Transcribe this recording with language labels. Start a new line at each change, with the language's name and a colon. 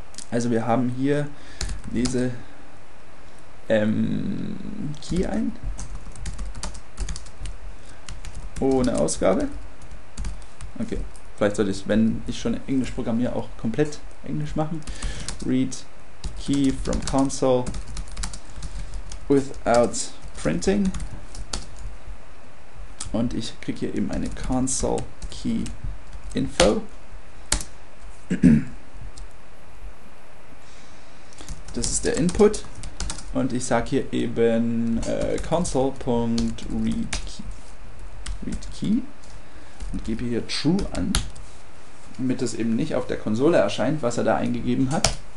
German: Also wir haben hier diese Key ein. Ohne Ausgabe. Okay, vielleicht sollte ich, wenn ich schon Englisch programmiere, auch komplett Englisch machen.
English: Read key from console without printing.
German: Und ich kriege hier eben eine console key info, das ist der Input, und ich sage hier eben console.readKey und gebe hier true an, damit das eben nicht auf der Konsole erscheint, was er da eingegeben hat.